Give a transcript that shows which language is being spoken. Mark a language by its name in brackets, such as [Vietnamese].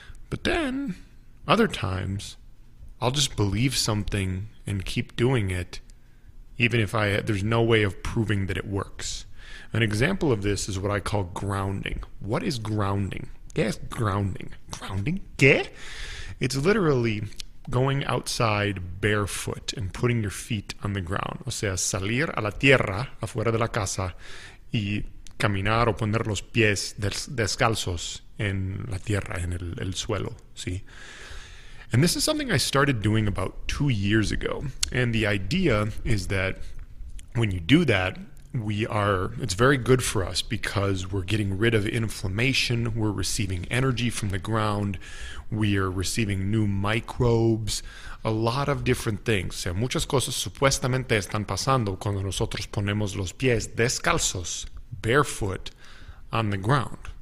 [English] But then other times I'll just believe something and keep doing it, even if there's no way of proving that it works. An example of this is what I call grounding. What is grounding? Yes, grounding. Grounding? Yeah. It's literally going outside barefoot and putting your feet on the ground. [Spanish] O sea, salir a la tierra, afuera de la casa, y caminar o poner los pies descalzos en la tierra, en el suelo, ¿sí? [English] And this is something I started doing about 2 years ago. And the idea is that when you do that, it's very good for us, because we're getting rid of inflammation, we're receiving energy from the ground, we are receiving new microbes, a lot of different things. [Spanish] O sea, muchas cosas supuestamente están pasando cuando nosotros ponemos los pies descalzos, [English] barefoot, on the ground.